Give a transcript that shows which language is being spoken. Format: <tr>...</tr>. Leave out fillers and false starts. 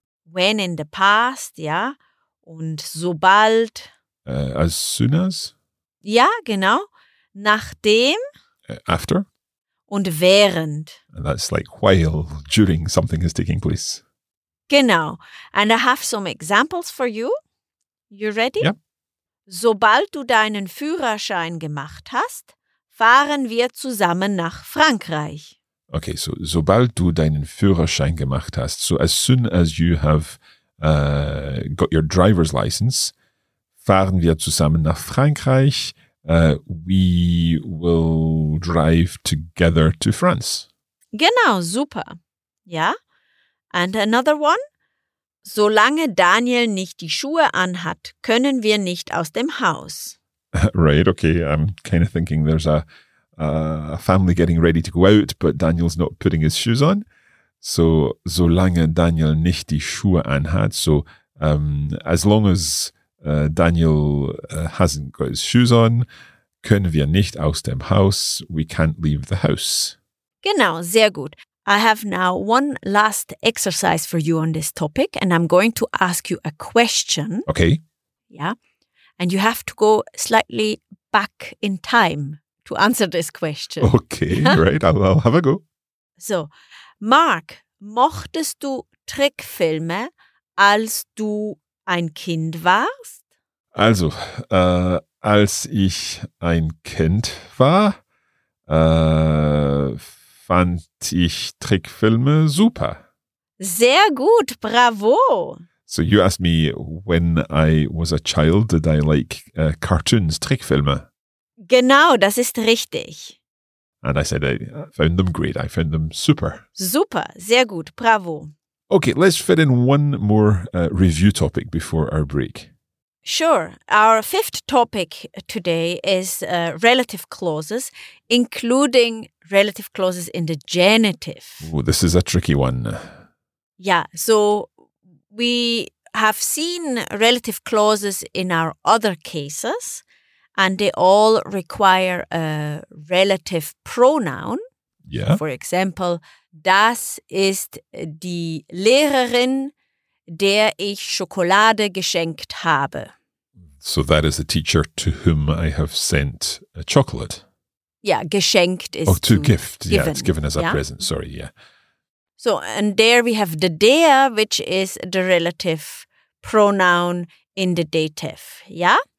<en>When in the past, yeah.</en> <de>Und sobald.</de> <en>As soon as.</en> <de>Ja, genau. Nachdem.</de> <en>After.</en> <de>Und während.</de> <en>And that's like while, during something is taking place.</en> <de>Genau.</de> <en>And I have some examples for you. You ready? Yeah.</en> <de>Sobald du deinen Führerschein gemacht hast, fahren wir zusammen nach Frankreich.</de> <en>Okay, so</en> <de>sobald du deinen Führerschein gemacht hast,</de> <en>so as soon as you have got your driver's license,</en> <de>fahren wir zusammen nach Frankreich.</de> <en>We will drive together to France.</en> <de>Genau, super. Ja.</de> <en>And another one.</en> <de>Solange Daniel nicht die Schuhe anhat, können wir nicht aus dem Haus.</de> <en>Right, okay. I'm kind of thinking there's a family getting ready to go out, but Daniel's not putting his shoes on. So,</en> <de>solange Daniel nicht die Schuhe anhat,</de> <en>so as long as Daniel hasn't got his shoes on,</en> <de>können wir nicht aus dem Haus,</de> <en>we can't leave the house.</en> <de>Genau, sehr gut.</de> <en>I have now one last exercise for you on this topic, and I'm going to ask you a question. Okay. Yeah. And you have to go slightly back in time to answer this question. Okay, right. I'll have a go.</en> <de>So, Mark, mochtest du Trickfilme, als du ein Kind warst? Also, als ich ein Kind war, fand ich Trickfilme super. Sehr gut, bravo.</de> <en>So you asked me, when I was a child, did I like cartoons, Trickfilme?</en> <de>Genau, das ist richtig.</de> <en>And I said I found them great. I found them super.</en> <de>Super, sehr gut, bravo.</de> <en>Okay, let's fit in one more review topic before our break. Sure. Our fifth topic today is relative clauses, including relative clauses in the genitive. Oh, this is a tricky one. Yeah, so we have seen relative clauses in our other cases, and they all require a relative pronoun. Yeah. For example,</en> <de>das ist die Lehrerin, der ich Schokolade geschenkt habe.</de> <en>So that is the teacher to whom I have sent a chocolate. Yeah, geschenkt is to gift. Given. Yeah, it's given as a present. Sorry, yeah. So, and there we have the der, which is the relative pronoun in the dative. Yeah?</en>